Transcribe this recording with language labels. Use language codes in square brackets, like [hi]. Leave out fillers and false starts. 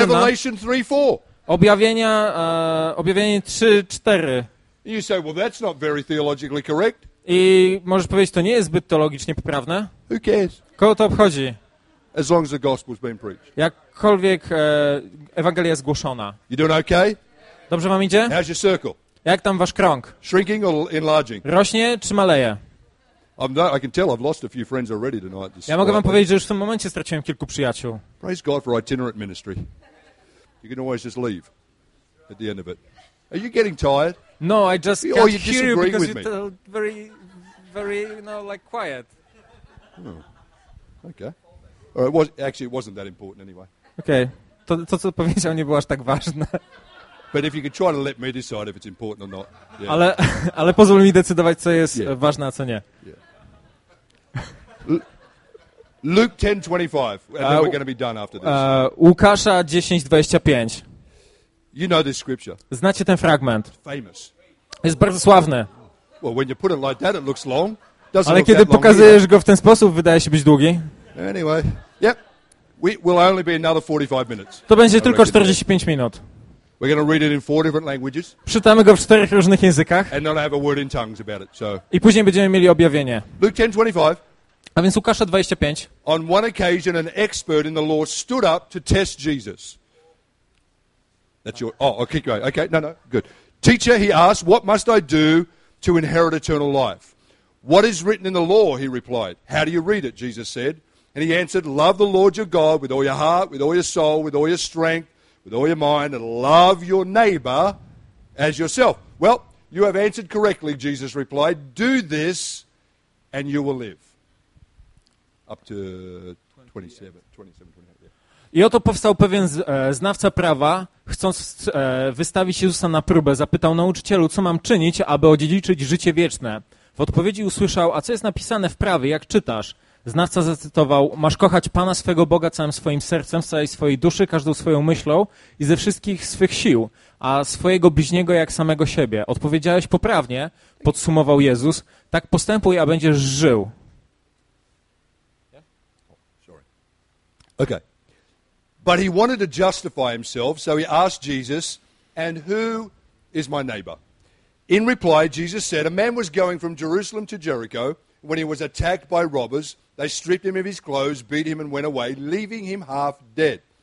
[en] Revelation 3:4. [pl] Objawienie 3:4. [en] You say, well, that's not very theologically correct. [pl] I możesz powiedzieć, to nie jest zbyt teologicznie poprawne. [en] Who cares? [pl] Kogo to obchodzi? [en] As long as the gospel's been preached. [pl] Jakkolwiek Ewangelia jest głoszona. [en] You doing okay? [pl] Dobrze wam idzie? [en] How's your circle? [pl] Jak tam wasz krąg? [en] Shrinking or enlarging? [pl] Rośnie czy maleje? [en] I can tell I've lost a few friends already tonight. [pl] Ja mogę wam powiedzieć, że już w tym momencie straciłem kilku przyjaciół. [en] Praise God for itinerant ministry. You can always just leave at the end of it. Are you getting tired? No, I just can't hear you because you're very, very, you know, like quiet. Oh. Okay. Or it was actually it wasn't that important anyway. Okay. [pl] To co powiedział, nie było aż tak ważne. [en] But if you could try to let me decide if it's important or not. Yeah. [pl] Ale pozwól mi decydować, co jest ważne, a co nie. [en] Yeah. Luke 10:25, and then we're going to be done after this. [pl] Łukasza 10:25. [en] You know this scripture. [pl] Znacie ten fragment. [en] Famous. [pl] Jest bardzo sławny. [en] Well, when you put it like that, it looks long. [pl] Doesn't ale kiedy pokazujesz go w ten sposób, wydaje się być długi. [en] Anyway, yep. We will only be another 45 minutes. [pl] To będzie tylko 45 minut. [en] We're going to read it in four different languages. [pl] Przeczytamy go w czterech różnych językach. [en] And then I have a word in tongues about it. So. [pl] I później będziemy mieli objawienie. [en] Luke 10:25. [pl] A więc Łukasza 25. [en] On one occasion, an expert in the law stood up to test Jesus. That's your. Oh, okay, great. Okay, no, good. Teacher, he asked, "What must I do to inherit eternal life?" "What is written in the law?" he replied. "How do you read it?" Jesus said, and he answered, "Love the Lord your God with all your heart, with all your soul, with all your strength, with all your mind, and love your neighbor as yourself." "Well, you have answered correctly," Jesus replied. "Do this, and you will live." Up to 27, 28. [pl] Yeah. I oto powstał pewien znawca prawa. Chcąc wystawić Jezusa na próbę, zapytał: nauczycielu, co mam czynić, aby odziedziczyć życie wieczne? W odpowiedzi usłyszał: a co jest napisane w prawie, jak czytasz? Znawca zacytował: masz kochać Pana swego Boga całym swoim sercem, z całej swojej duszy, każdą swoją myślą i ze wszystkich swych sił, a swojego bliźniego jak samego siebie. Odpowiedziałeś poprawnie, podsumował Jezus, tak postępuj, a będziesz żył. [en] Okay. But he wanted to justify himself, so he asked Jesus, "And who is my neighbor?" In reply, Jesus said, "A man was going from Jerusalem to Jericho when he was attacked by robbers. They stripped him of his clothes, beat him, and went away, leaving him half dead.